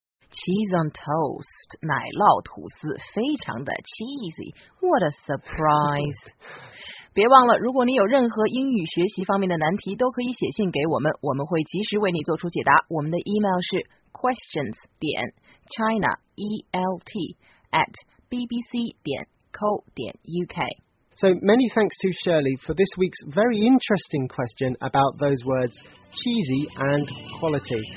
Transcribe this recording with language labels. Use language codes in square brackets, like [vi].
[en] Cheese on toast, [zh] 奶酪吐司，非常的 [en] cheesy. What a surprise. [zh] 别忘了，如果你有任何英语学习方面的难题，都可以写信给我们，我们会及时为你做出解答。我们的 email 是 questions.china@bbc.co.uk. [en] So many thanks to Shirley for this week's very interesting question about those words cheesy and quality.